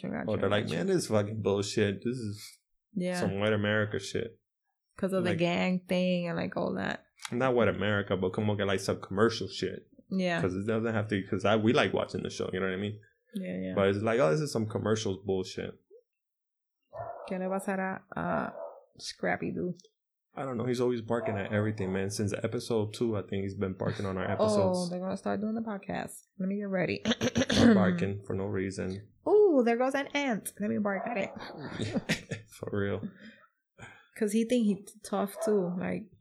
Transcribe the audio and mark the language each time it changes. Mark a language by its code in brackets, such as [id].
[en] Or they're like, man, this is fucking bullshit. This is some white America shit. Because of the gang thing and like all that. Not white America, but come on, get like some commercial shit. Yeah. Because it doesn't have to, because we like watching the show, you know what I mean? Yeah. But it's like, oh, this is some commercials bullshit. [es] ¿Qué le pasará a Scrappy Doo? [en] I don't know. He's always barking at everything, man. Since episode 2, I think he's been barking on our episodes. Oh, they're going to start doing the podcast. Let me get ready. Barking for no reason. Ooh, there goes an ant. Let me bark at it. For real. Cause he think he's tough too, like